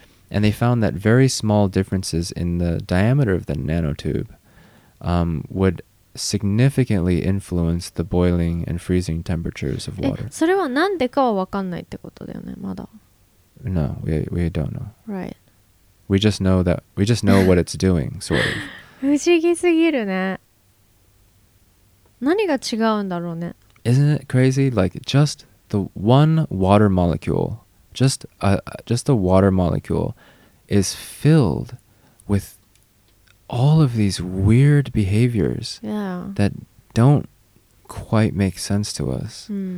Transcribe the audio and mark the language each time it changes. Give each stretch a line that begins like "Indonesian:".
English: And they found that very small differences in the diameter of the nanotube would significantly influence the boiling and freezing temperatures of water.
Japanese: それはなんでかは分かんないってことだよね、まだ。
English: No, we don't know. Right. We just know what it's doing, sort of.
Japanese: 不思議すぎるね。何が違うんだろうね。
English: Isn't it crazy? Like, just the one water molecule, just a water molecule is filled with all of these weird behaviors that don't quite make sense to us.